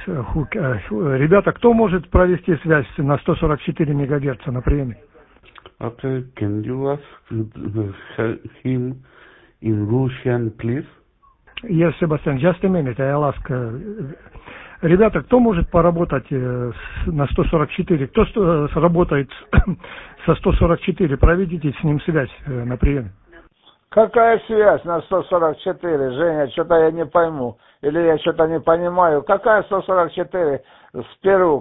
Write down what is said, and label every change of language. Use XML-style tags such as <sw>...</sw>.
<ru>Ребята, кто может провести связь на 144 МГц на приеме?</ru> <en>Okay, can you ask him in Russian, please? Yes, Sebastian, just a minute, I'll ask.</en> <ru>Ребята, кто может поработать на 144? Кто работает со 144? Проведите с ним связь на приеме. Какая связь на 144, Женя? Что-то я не пойму. Или я что-то не понимаю. Какая 144 с Перу?</ru>